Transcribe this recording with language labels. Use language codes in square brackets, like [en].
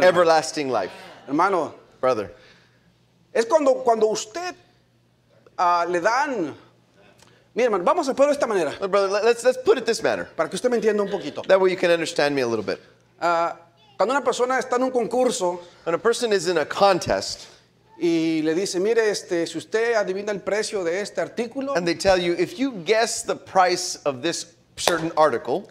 [en] Everlasting life. [es] Hermano. [en] Brother. [es] Es cuando usted le dan. Mira, hermano, vamos a ponerlo de esta manera. [en] But brother, let's put it this manner. [es] Para que usted me entienda un poquito. [en] That way you can understand me a little bit. [es] Cuando una persona está en un concurso, [en] when a person is in a contest, [es] y le dice, mire, si usted adivina el precio de este artículo, [en] and they tell you, if you guess the price of this certain article,